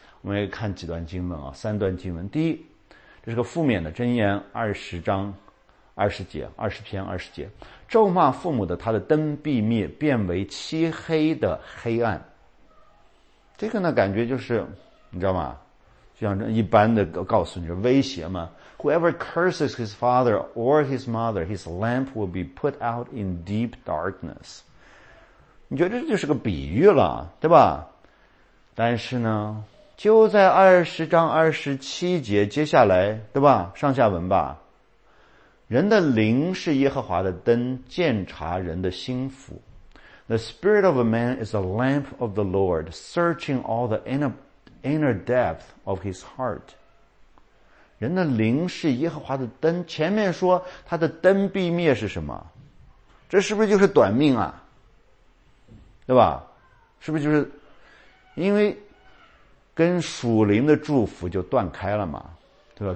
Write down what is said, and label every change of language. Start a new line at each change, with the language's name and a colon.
Chinese: 我们来看几段经文啊，三段经文。第一，这是个负面的，箴言二十篇二十节，咒骂父母的，他的灯必灭，变为漆黑的黑暗。这个呢，感觉就是你知道吗？就像一般的告诉你，威胁嘛。
English: Whoever curses his father or his mother, his lamp will be put out in deep darkness.
Chinese: 你觉得这就是个比喻了，对吧？但是呢，就在20章27节接下来，对吧？上下文吧。人的灵是耶和华的灯，鉴察人的心腹。
English: The spirit of a man is a lamp of the Lord, searching all the inner depth of his heart.
Chinese: 人的灵是耶和华的灯，前面说他的灯必灭是什么？这是不是就是短命啊？对吧？是不是就是因为跟属灵的祝福就断开了嘛？对吧？